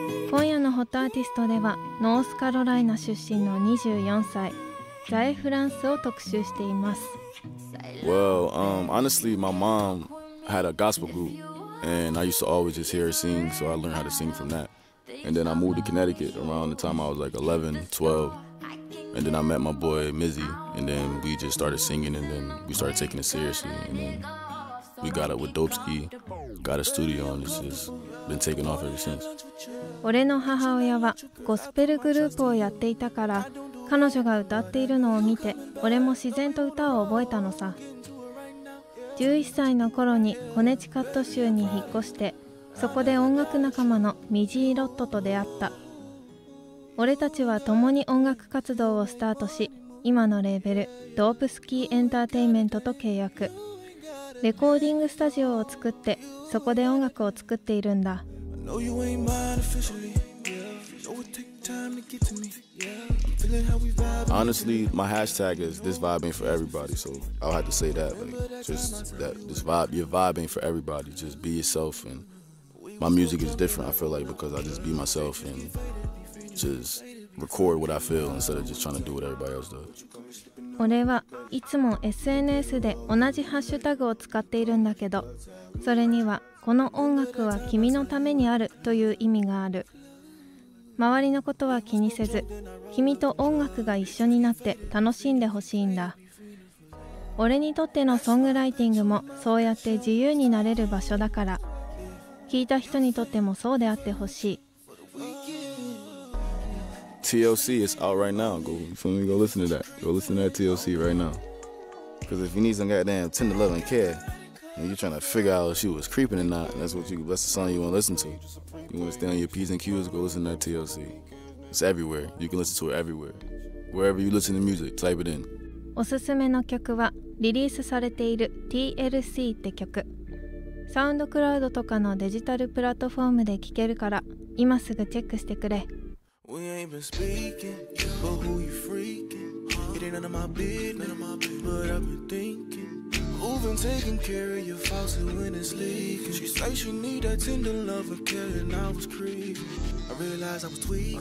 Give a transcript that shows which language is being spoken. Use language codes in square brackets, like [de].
[ja] ホットアーティストではノースカロライナ出身の24歳、ザエフランスを特集しています。 [en] Well, honestly, my mom had a gospel group and I used to always just hear her sing, so I learned how to sing from that. And then I moved to Connecticut around the time I was like 11, 12, and then I met my boy Mizzy, and then we just started singing, and then we started taking it seriously, and then we got it with Dopeski, got a studio, and it's just been taking off ever since. [ja] 俺の母親はゴスペルグループをやっていたから、彼女が歌っているのを見て、俺も自然と歌を覚えたのさ。 11歳の頃にコネチカット州に引っ越して、そこで音楽仲間のミジー・ロットと出会った。俺たちは共に音楽活動をスタートし、今のレーベル、ドープスキー・エンターテインメントと契約。レコーディングスタジオを作って、そこで音楽を作っているんだ。 [en] No, you ain't mine officially. Yeah, know it takes time to get to me. Yeah, feeling how we vibe. Honestly, my hashtag is this vibe ain't for everybody, so I'll have to say that. Like, just that this vibe, your vibe ain't for everybody. Just be yourself, and my music is different. I feel like because I just be myself and just record what I feel instead of just trying to do what everybody else does. [ja] 俺はいつも SNS で同じハッシュタグを使っているんだけど、それには。この音楽は君のためにあるという意味がある。周りのことは気にせず、君と音楽が一緒になって楽しんでほしいんだ。俺にとってのソングライティングもそうやって自由になれる場所だから、聴いた人にとってもそうであってほしい。 [en] TLC is out right now. Go, so go listen to that. Go listen to that TLC right now. Cause if you need some goddamn tender love and care, and you're trying to figure out if she was creeping or not, that's the song you want to listen to. You want to stay on your P's and Q's, go listen to that TLC. It's everywhere. You can listen to it everywhere. Wherever you listen to music, type it in. [ja] おすすめの曲はリリースされている TLC って曲。サウンドクラウドとかのデジタルプラットフォームで聴けるから、今すぐチェックしてくれ。 [en] We ain't been speaking, but who you freaking? It ain't none of my business, but I've been thinking. Who been taking care of your faucet when it's leaking? She say she need that tender love and care, and I was creeping. I realized I was tweaking.